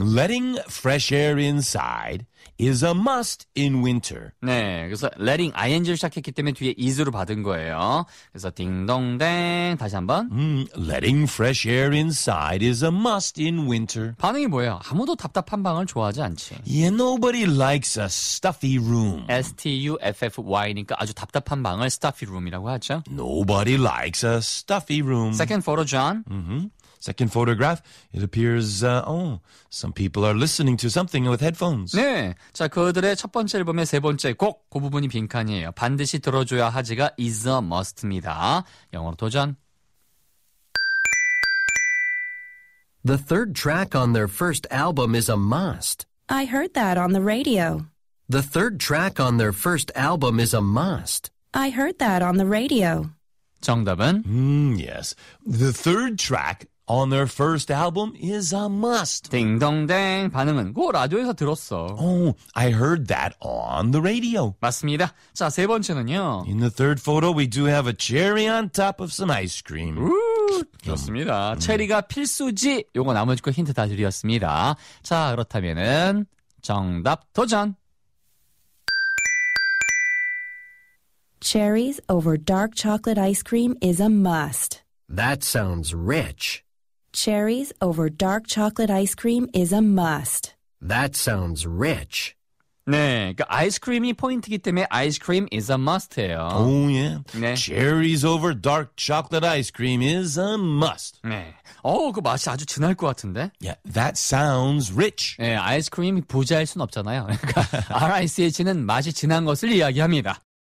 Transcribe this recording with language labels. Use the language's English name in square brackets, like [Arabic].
[English] Letting fresh air inside is a must in winter. [Korean] 네, 그래서 letting ing을 시작했기 때문에 뒤에 is로 받은 거예요. 그래서 딩동댕 다시 한번 [English] Letting fresh air inside is a must in winter. [Korean] 반응이 뭐예요? 아무도 답답한 방을 좋아하지 않지. [English] Yeah, nobody likes a stuffy room. [Korean] S-T-U-F-F-Y니까 아주 답답한 방을 stuffy room이라고 하죠. [English] Nobody likes a stuffy room. Second photo, John. Second photograph, it appears, some people are listening to something with headphones. [Korean] 네, 자, 그들의 첫 번째 앨범의 세 번째 곡, 그 부분이 빈칸이에요. 반드시 들어줘야 하지가 [English] is a must [Korean] 입니다. 영어로 도전. [English] The third track on their first album is a must. I heard that on the radio. The third track on their first album is a must. I heard that on the radio. [Korean] 정답은? [English] Yes, the third track on their first album is a must. [Korean] 딩동댕. 반응은 그거 라디오에서 들었어. [English] Oh, I heard that on the radio. [Korean] 맞습니다. 자, 세 번째는요. [English] In the third photo, we do have a cherry on top of some ice cream. [Korean] 좋습니다. 체리가 필수지. 요거 나머지 거 힌트 다 드렸습니다. 자, 그렇다면은 정답 도전. [English] Cherries over dark chocolate ice cream is a must. That sounds rich. Cherries over dark chocolate ice cream is a must. That sounds rich. [Korean] 네, 그러니까 아이스크림이 포인트이기 때문에 아이스크림 [English] is a must [Korean] 예요. [English] Oh, yeah. [Korean] 네. [English] Cherries over dark chocolate ice cream is a must. [Korean] 네. 그 맛이 아주 진할 것 같은데? [English] Yeah, that sounds rich. [Korean] 네, 아이스크림이 부자일 순 없잖아요. 그러니까 R-I-C-H는 맛이 진한 것을 이야기합니다.